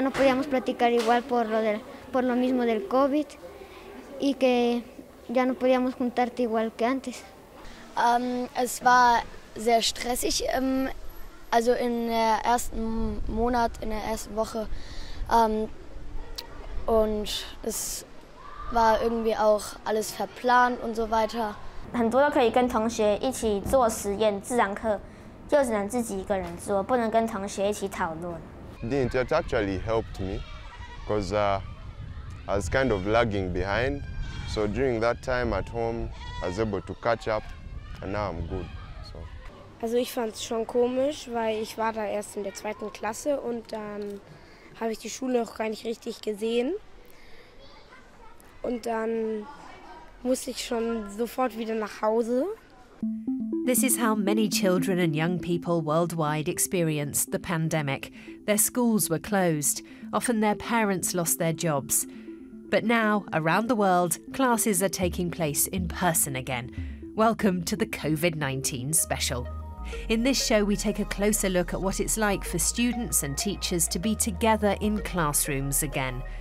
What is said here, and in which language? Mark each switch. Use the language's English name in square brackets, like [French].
[Spanish] no podíamos platicar igual por lo mismo del COVID y que ya no podíamos juntarte igual que antes. [German] Es war sehr stressig. Also in der ersten Monat, in der ersten Woche. Und es war irgendwie auch alles verplant und so weiter. [Chinese] 很多都可以跟同学一起做实验，自然课就只能自己一个人做，不能跟同学一起讨论. [English] It actually helped me because I was kind of lagging behind. So during that time at home, I was able to catch up and now I'm good. [German] Also ich fand es schon komisch, weil ich war da erst in der zweiten Klasse und dann habe ich die Schule auch gar nicht richtig gesehen. Und dann musste ich schon sofort wieder nach Hause. [English] This is how many children and young people worldwide experienced the pandemic. Their schools were closed. Often their parents lost their jobs. But now, around the world, classes are taking place in person again. Welcome to the COVID-19 special. In this show, we take a closer look at what it's like for students and teachers to be together in classrooms again.